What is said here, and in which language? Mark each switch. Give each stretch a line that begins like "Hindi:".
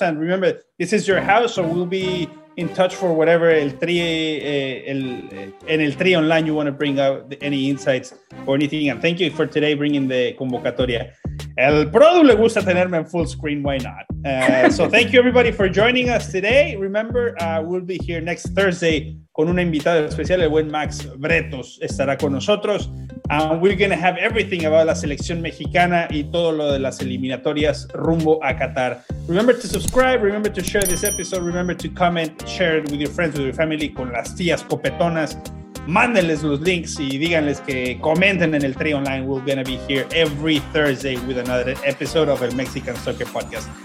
English: And remember, this is your house, so we'll be in touch for whatever el tri online you want to bring out any insights or anything. And thank you for today bringing the convocatoria.
Spanish: El produ le gusta tenerme en full screen.
English: Why not? So thank you everybody for joining us today. Remember, we'll be here next Thursday
Spanish: con una invitada especial. El buen Max Bretos estará con nosotros.
English: And we're going to have everything about
Spanish: la selección mexicana y todo lo de las eliminatorias rumbo a Qatar.
English: Remember to subscribe. Remember to share this episode. Remember to comment, share it with your friends, with your family,
Spanish: con las tías copetonas. Mándenles los links y díganles que comenten en el Tri Online.
English: We're going to be here every Thursday with another episode of El Mexican Soccer Podcast.